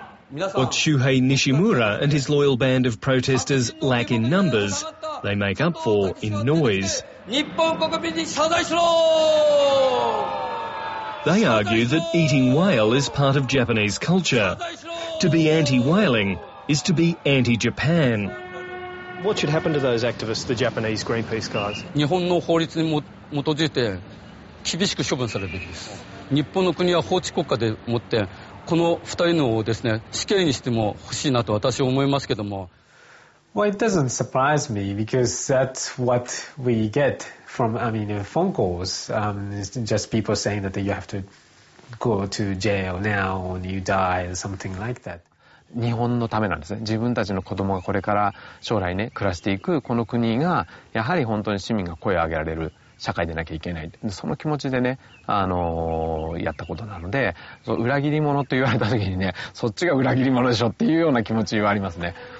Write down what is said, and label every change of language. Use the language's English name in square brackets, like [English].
[English] What Shuhei Nishimura and his loyal band of protesters lack in numbers, they make up for in noise. They argue that eating whale is part of Japanese culture. To be anti-whaling is to be anti-Japan. What should happen to those activists, the Japanese Greenpeace guys? [Japanese] 日本の法律に基づいて厳しく処分されるべきです。日本の国は法治国家でもって、この二人のをですね、死刑にしても欲しいなと私は思いますけども。 [English] Well, it doesn't surprise me because that's what we get from, phone calls. It's just people saying that you have to go to jail now or you die or something like that. [Japanese] 日本のためなんですね。自分たちの子供がこれから将来ね、暮らしていくこの国が、やはり本当に市民が声を上げられる社会でなきゃいけない。その気持ちでね、やったことなので、裏切り者と言われた時にね、そっちが裏切り者でしょっていうような気持ちはありますね。